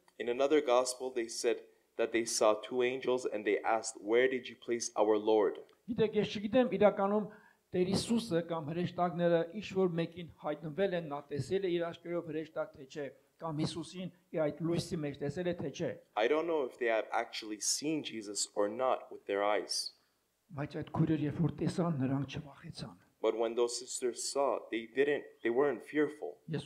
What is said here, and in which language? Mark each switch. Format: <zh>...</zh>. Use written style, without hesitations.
<en>In another gospel they said that they saw two angels and they asked where did you place our Lord</en> <hy>Գիտեք, ես չգիտեմ իրականում Տեր Հիսուսը կամ հրեշտակները ինչ որ մեկին հայտնվել են նա տեսել է իր աչքերով հրեշտակ թե չէ կամ Հիսուսին այդ լույսի մեջ տեսել է թե չէ</hy> <en>I don't know if they have actually seen Jesus or not with their eyes</en> <hy>Մայց այդ քույրը երբ որ տեսան նրանք չվախեցան</hy> <en>But when those sisters saw, they weren't fearful.</en>